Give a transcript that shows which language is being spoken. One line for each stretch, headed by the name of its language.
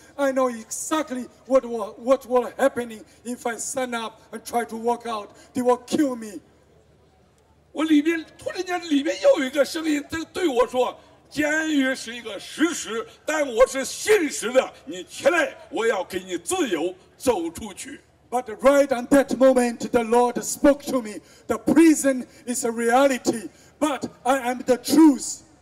English: I know exactly what will happen if I stand up and try to walk out. They will kill me.
Chinese: 我里面突然间里面又有一个声音对我说，监狱是一个事实，但我是信实的，你起来，我要给你自由走出去。
English: But right at that moment, the Lord spoke to me. The prison is a reality, but I am the truth.